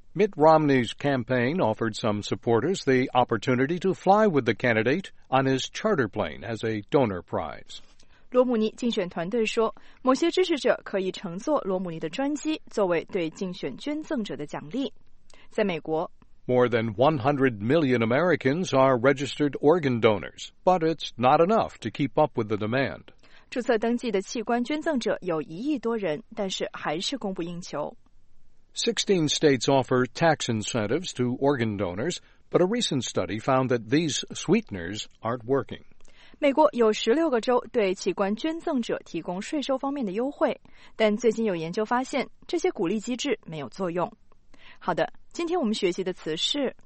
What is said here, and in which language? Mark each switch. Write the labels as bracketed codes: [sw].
[en] Mitt Romney's campaign offered some supporters the opportunity to fly with the candidate on his charter plane as a donor prize. [zh] 罗姆尼竞选团队说，某些支持者可以乘坐罗姆尼的专机作为对竞选捐赠者的奖励。在美国， [en] More than 100 million Americans are registered organ donors, but it's not enough to keep up with the demand. [zh] 注册登记的器官捐赠者有一亿多人，但是还是供不应求。 [en] 16 states offer tax incentives to organ donors, but a recent study found that these sweeteners aren't working. [zh] 美国有16个州对器官捐赠者提供税收方面的优惠，但最近有研究发现，这些鼓励机制没有作用。好的，今天我们学习的词是